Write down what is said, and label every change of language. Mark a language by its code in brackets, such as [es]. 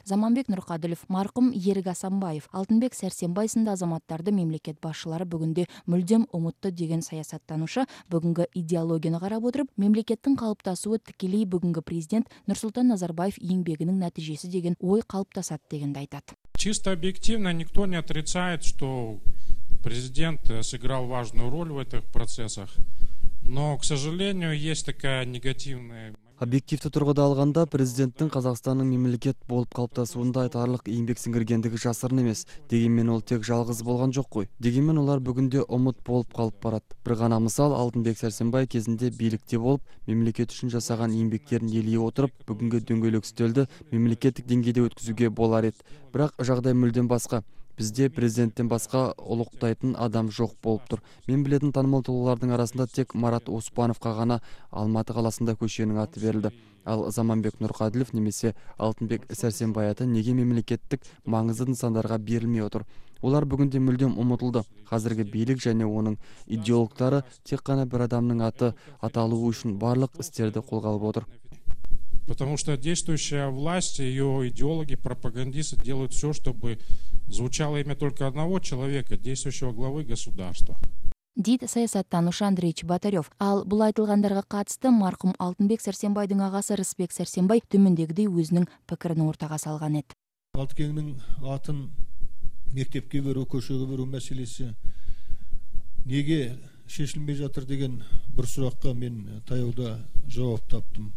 [kk] Заманбек Нұрқаділов, марқұм Ерік Асанбаев, Алтынбек Сәрсенбай сынды азаматтарды мемлекет басшылары бүгінде мүлдем ұмытты деген саясаттанушы бүгінгі идеологияны қарап отырып, мемлекеттің қалыптасуы тікелей бүгінгі президент Нұрсұлтан Назарбаев еңбегінің нәтижесі деген ой қалыптасады дегенді айтады. [ru] Чисто объективно никто не отрицает, что президент сыграл важную роль в этих процессах, но, к сожалению, есть такая негативная... [kk] Объективті тұрғыда алғанда президенттің Қазақстанның мемлекет болып қалыптасуында айтарлық еңбек сіңіргендігі жасырын емес. Дегенмен ол тек жалғыз болған жоқ қой. Дегенмен олар бүгінде ұмыт болып қалып барады. Бір ғана мысал, Алтынбек Сәрсенбай кезінде билікте болып, мемлекет үшін жасаған еңбектерін елей отырып, бүгінгі дөңгелек үстелді мемлекеттік деңгейде өткізуге болар еді. Бірақ жағдай мүлдем басқа. Бізде президенттен басқа ұлықтайтын адам жоқ болып тұр. Мен білетін танымал тұлғалардың арасында тек Марат Оспановқа ғана Алматы қаласында көшенің аты берілді. Ал Заманбек Нұрқаділов немесе Алтынбек Сәрсенбай аты неге мемлекеттік маңызды нысандарға берілмей отыр? Олар бүгінде мүлдем ұмытылды. Қазіргі билік және оның идеологтары тек қана бір адамның аты аталуы үшін барлық істерді қолға алып отыр. [ru] Потому что действующая власть, ее идеологи, пропагандисты делают все, чтобы звучало имя только одного человека, действующего главы государства. [kk] Дейді саясаттанушы Андрей Чеботарев. Ал бұл айтылғандарға қатысты марқұм Алтынбек Сәрсенбайдың ағасы Рысбек Сәрсенбай төмендегідей өзінің пікірін ортаға салған еді. Алтынбекнің атын мектепке беру, көшеге беру мәселесі неге шешілмей жатыр деген бір сұраққа мен таяуда жауап таптым.